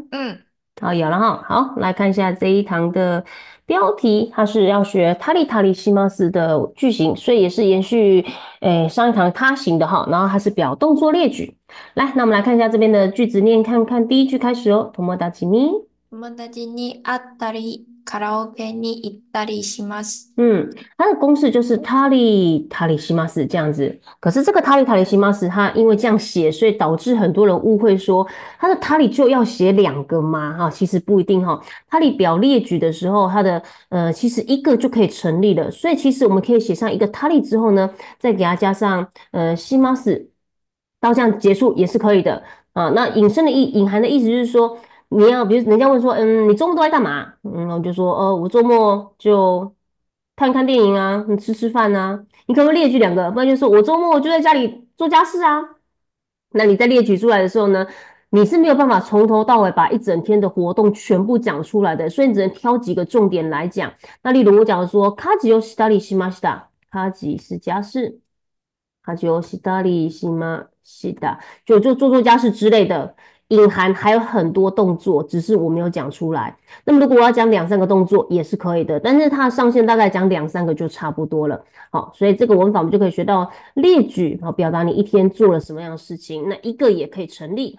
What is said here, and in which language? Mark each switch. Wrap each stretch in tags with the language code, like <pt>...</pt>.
<zh>嗯，好，有了哈。好，来看一下这一堂的标题，它是要学塔里塔里西马斯的句型，所以也是延续上一堂他型的哈。然后它是表动作列举。来，那我们来看一下这边的句子念看看，第一句开始哦。</zh> <ja>友達に。友達に会ったり、カラオケに行ったりします。</ja> <zh>它的公式就是塔里塔里西马斯这样子。可是这个塔里塔里西马斯，它因为这样写，所以导致很多人误会说，它的塔里就要写两个吗？哈，其实不一定哈。塔里表列举的时候，它的其实一个就可以成立了。所以其实我们可以写上一个塔里之后呢，再给它加上西马斯，到这样结束也是可以的啊。那隐含的意思就是说，你要比如人家问说，你周末都在干嘛？我就说，我周末就看看电影啊，你吃吃饭啊，你可不可以列举两个？不然就是我周末就在家里做家事啊。那你在列举出来的时候呢，你是没有办法从头到尾把一整天的活动全部讲出来的，所以你只能挑几个重点来讲。那例如我讲说，</zh> <ja>家事をしたりしました。</ja> <zh>家事是家事，</zh> <ja>家事をしたりしました。</ja> <zh>就做家事之类的。隐含还有很多动作，只是我没有讲出来。那么，如果我要讲两三个动作也是可以的，但是它的上限大概讲两三个就差不多了。好，所以这个文法我们就可以学到列举，好，表达你一天做了什么样的事情，那一个也可以成立。</zh>